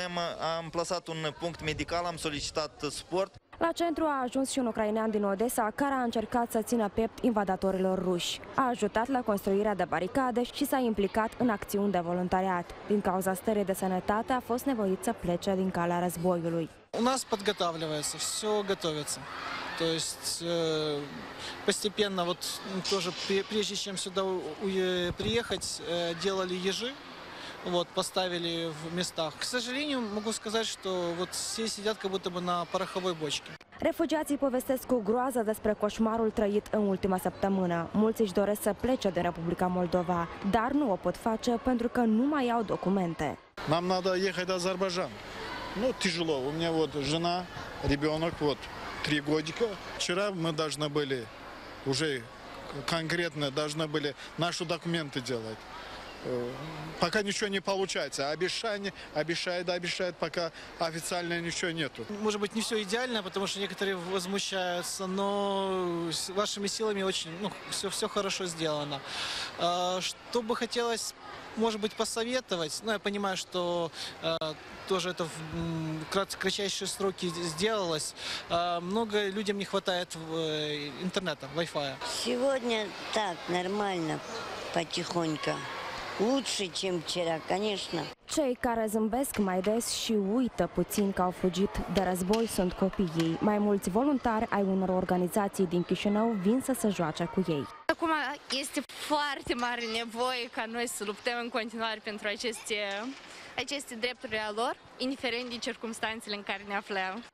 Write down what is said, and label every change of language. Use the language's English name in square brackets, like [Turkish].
[Romanian] Noi am plasat un punct medical, am solicitat suport. La centru a ajuns și un ucrainean din Odessa, care a încercat să țină piept invadatorilor ruși. A ajutat la construirea de baricade și s-a implicat în acțiuni de voluntariat. Din cauza stării de sănătate, a fost nevoit să plece din calea războiului. [Russian] У нас подготавливается, все готовится. То есть постепенно, вот тоже прежде чем сюда приехать, делали ежи. Вот, поставили в местах. К сожалению, могу сказать, что вот все сидят как будто бы на пороховой бочке. [Romanian] Refugiații povestesc cu groază despre coșmarul trăit în ultima săptămână. Mulți își doresc să plece din Republica Moldova, dar nu o pot face pentru că nu mai au documente. [Russian] Нам надо ехать до Азербайджан. Ну, тяжело. У меня вот жена, ребенок, вот, 3 годика. Вчера мы должны были уже конкретно должны были наши документы делать. Пока ничего не получается. Обещают, пока официально ничего нету. Может быть, не все идеально, потому что некоторые возмущаются, но вашими силами очень, ну, все хорошо сделано. Что бы хотелось, может быть, посоветовать, ну, я понимаю, что тоже это в кратчайшие сроки сделалось. Много людям не хватает интернета, Wi-Fi. Сегодня так, нормально, потихоньку. Лучше, чем вчера, конечно. [Romanian] Cei care zâmbesc mai des și uită puțin că au fugit de război sunt copiii. Mai mulți voluntari ai unor organizații din Chișinău vin să se joace cu ei. Acum este foarte mare nevoie ca noi să luptăm în continuare pentru aceste drepturi a lor, indiferent din circumstanțele în care ne aflăm.